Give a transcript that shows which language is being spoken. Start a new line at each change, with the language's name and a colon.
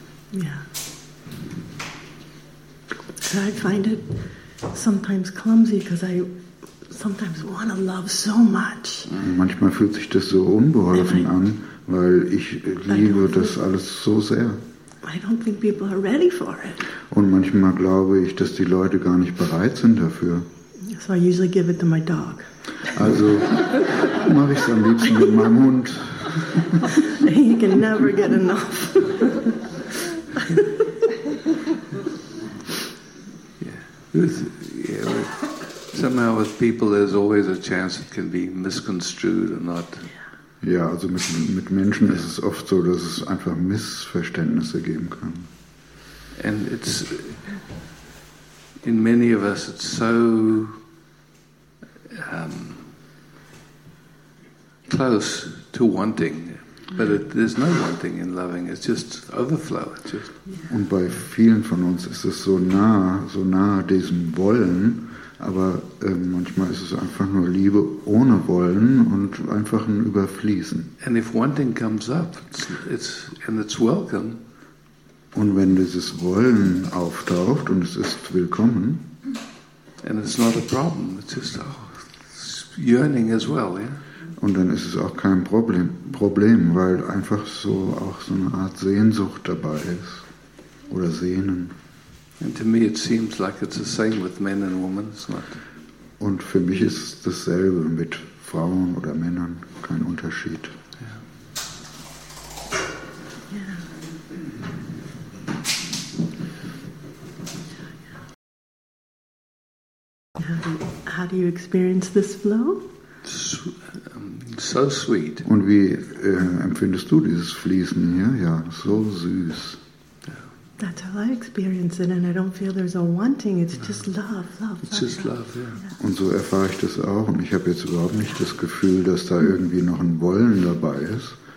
German: Ja. Ja.
English: I find it sometimes clumsy because I sometimes want to love so much.
German: Manchmal fühlt sich das so unbeholfen an, weil ich liebe das alles so sehr.
English: I don't think people are ready for it.
German: Und manchmal glaube ich, dass die Leute gar nicht bereit sind dafür.
English: So I usually give it to my dog.
German: Also mache ich es am liebsten mit meinem Hund.
English: He can never get enough. Yeah. Yeah. somehow with people there's always a chance it can be misconstrued or not.
German: Ja, also mit Menschen ist es oft so, dass es einfach Missverständnisse geben kann.
English: And it's in many of us it's so close to wanting, but there's no wanting in loving. It's just overflow. It's just.
German: Und bei vielen von uns ist es so nah diesem Wollen. Aber manchmal ist es einfach nur Liebe ohne Wollen und einfach ein Überfließen.
English: And if wanting comes up, it's, and it's welcome.
German: Und wenn dieses Wollen auftaucht und es ist willkommen,
English: and it's not a problem, it's just yearning as well, yeah?
German: Und dann ist es auch kein Problem, weil einfach so auch so eine Art Sehnsucht dabei ist oder Sehnen.
English: And to me it seems like it's the same with men and women, it's not.
German: Und für mich ist es dasselbe mit Frauen oder Männern, kein Unterschied.
English: How do you experience this flow? So sweet.
German: Und wie empfindest du dieses Fließen hier? Ja, so süß.
English: That's how I experience it, and I don't feel there's a wanting. It's just love, love. It's just love, yeah.
German: Und so erfahre ich das auch, und ich habe jetzt überhaupt nicht das Gefühl, dass da irgendwie noch ein Wollen dabei ist.